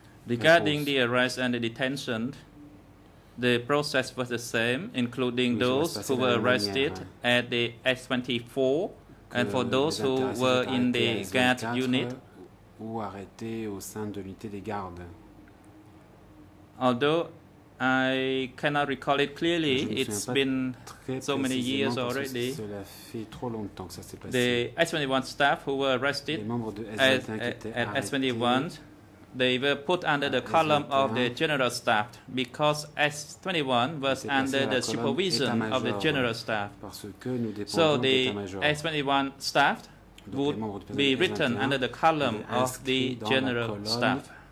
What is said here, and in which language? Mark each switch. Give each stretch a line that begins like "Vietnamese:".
English: Regarding the arrest and the detention, the process was the same, including those who were arrested at the S24 and for those who were in the guard unit.
French: Ou arrêté au sein de l'unité des gardes.
English: Although I cannot recall it clearly, it's been so many years already.
French: Cela fait trop longtemps que ça s'est passé.
English: The S21 staff who were arrested at S21, they were put under the column of the general staff because S21 was under the supervision of the general staff.
French: Parce que nous dépendons
English: so the S21 staff would be written under the column of the general staff.